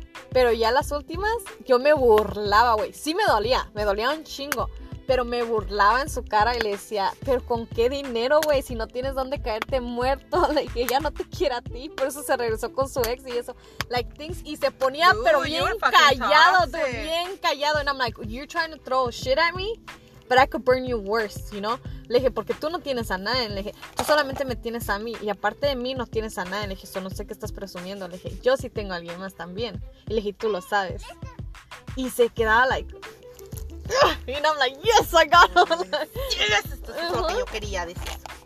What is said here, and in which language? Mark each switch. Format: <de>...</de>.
<es>Pero ya las últimas, yo me burlaba, güey. Sí me dolía un chingo, pero me burlaba en su cara y le decía, ¿pero con qué dinero, güey? Si no tienes dónde caerte muerto, like, ella no te quiere a ti, por eso se regresó con su ex y eso.</es> <en>Like, things,</en> <es>y se ponía, dude, pero bien callado, dude, bien callado.</es> <en>And I'm like, you're trying to throw shit at me, but I could burn you worse, you know?</en> <es>Le dije, porque tú no tienes a nadie. Le dije, tú solamente me tienes a mí. Y aparte de mí, no tienes a nadie. Le dije, eso no sé qué estás presumiendo. Le dije, yo sí tengo a alguien más también. Y le dije, tú lo sabes. Y se quedaba like... Y</es> <en>I'm like, yes, I got him.</en> <es>Yes, esto es lo que yo quería decir.</es>